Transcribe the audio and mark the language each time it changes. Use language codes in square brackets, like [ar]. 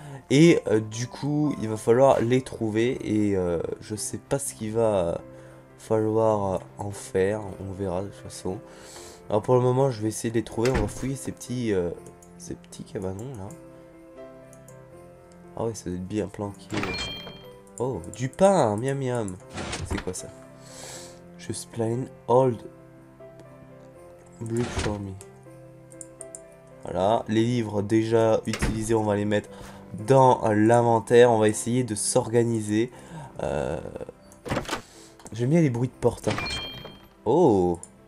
[fr] Et du coup, il va falloir les trouver. Et je sais pas ce qu'il va falloir en faire. On verra de toute façon. Alors pour le moment, je vais essayer de les trouver. On va fouiller ces petits cabanons là. Ah ouais, ça doit être bien planqué. Oh, du pain, miam miam. C'est quoi ça? [en] Just plain old brick for me. [fr] Voilà, les livres déjà utilisés, on va les mettre dans l'inventaire. On va essayer de s'organiser. J'aime bien les bruits de porte. Hein. Oh!